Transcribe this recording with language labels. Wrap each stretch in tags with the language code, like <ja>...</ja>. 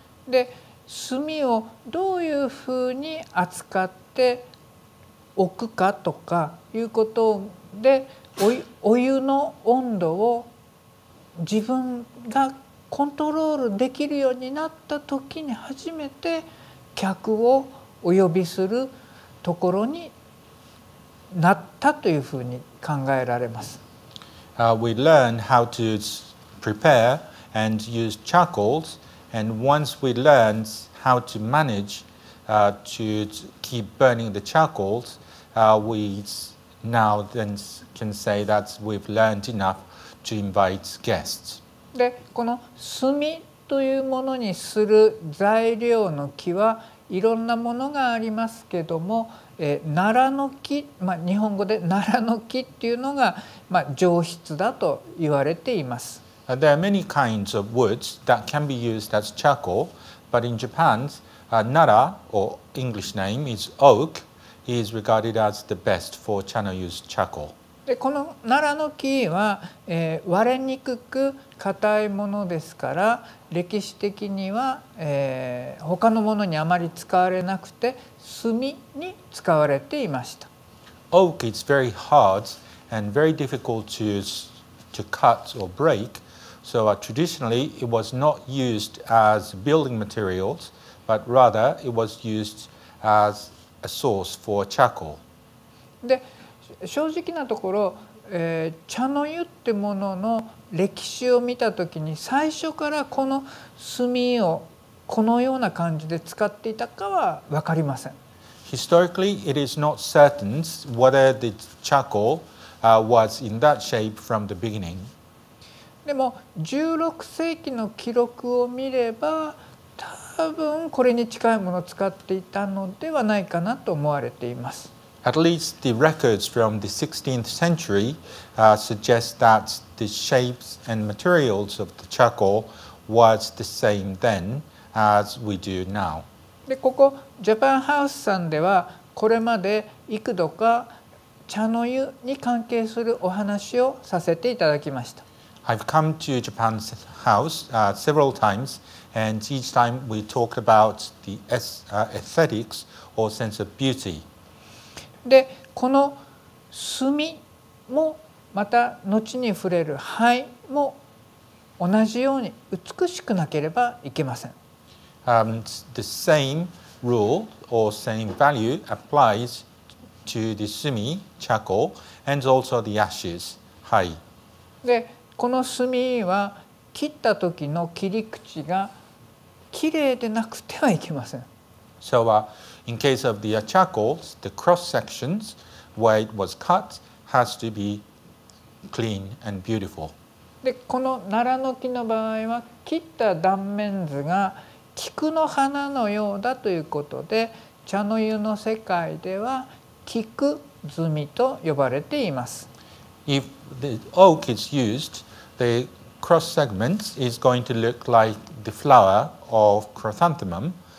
<ja>で、炭をどういうふうに扱っておくかとかいうことで、お湯の温度を自分がコントロールできるようになった時に初めて客をお呼びするところになったというふうに考えられます。</ja> <en>We learn how to prepare and use charcoals, and once we learn how to manage to keep burning the charcoals, we now then can say that we've learned enough to invite guests.</en> <ja>で、この炭というものにする材料の木はいろんなものがありますけども、奈良の木、まあ、日本語で奈良の木っていうのが、まあ、上質だと言われています。</ja> <en>There are many kinds of woods that can be used as charcoal, but in Japan, Nara, or English name is oak, is regarded as the best for Chado use charcoal.</en> <ja>で、この奈良の木は、割れにくく硬いものですから、歴史的には、他のものにあまり使われなくて、炭に使われていました。</ja> <en>Oak is very hard and very difficult to cut or break. So traditionally, it was not used as building materials, but rather it was used as a source for charcoal.</en> <ja>で、正直なところ、茶の湯ってものの歴史を見たときに、最初からこの炭をこのような感じで使っていたかは分かりません。</ja> <en>Historically, it is not certain whether the charcoal, was in that shape from the beginning.</en> <ja>でも16世紀の記録を見れば、多分これに近いものを使っていたのではないかなと思われています。</ja> <en>At least the records from the 16th century, suggest that the shapes and materials of the charcoal was the same then as we do now.</en> <ja>で、ここジャパンハウスさんでは、これまで幾度か茶の湯に関係するお話をさせていただきました。</ja> <en>I've come to Japan's house several times, and each time we talked about the aesthetics or sense of beauty.</en> <ja>で、この炭もまた後に触れる灰も同じように美しくなければいけません。</ja> <en>The same rule or same value applies to the 炭, charcoal, and also the ashes, 灰。</en> <ja>で、この炭は切った時の切り口がきれいでなくてはいけません。</ja> <en>So, in case of the charcoal, the cross sections where it was cut has to be clean and beautiful.</en> <ja>で、この奈良の木の場合は切った断面図が菊の花のようだということで、茶の湯の世界では菊炭と呼ばれています。</ja> <en>If the oak is used, the cross segments is going to look like the flower of chrysanthemum.</en>